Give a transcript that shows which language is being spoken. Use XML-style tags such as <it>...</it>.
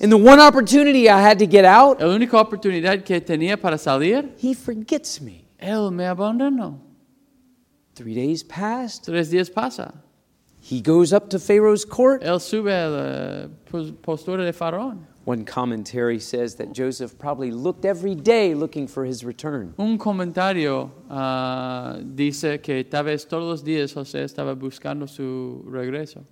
<en>And the one opportunity I had to get out.</en> <es>La única oportunidad que tenía para salir.</es> <en>He forgets me.</en> <es>Él me abandonó.</es> <en>3 days passed.</en> <es>3 días pasa.</es> <en>He goes up to Pharaoh's court.</en> <es>Él sube a la postura de Faraón.</es> <en>One commentary says that Joseph probably looked every day looking for his return.</en> <es>Un comentario dice que tal vez todos los días José estaba buscando su regreso.</es>